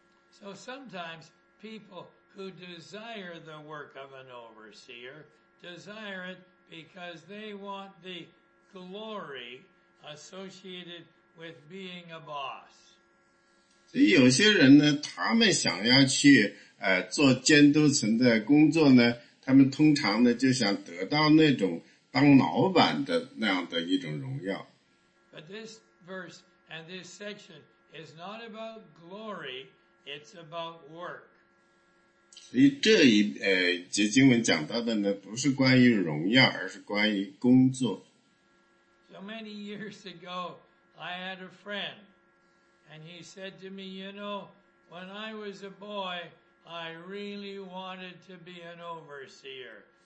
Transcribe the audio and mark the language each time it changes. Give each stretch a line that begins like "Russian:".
English: So sometimes people who desire the work of an overseer desire it because they want the glory associated with being a boss.
Chinese: 所以有些人呢，他们想要去做监督层的工作呢，他们通常呢就想得到那种当老板的那样的一种荣耀。
English: But this verse and this section is not about glory, it's about work.
Chinese: 所以这一节经文讲到的呢，不是关于荣耀，而是关于工作。
English: So many years ago, I had a friend. And he said to me, you know, when I was a boy, I really wanted to be an overseer.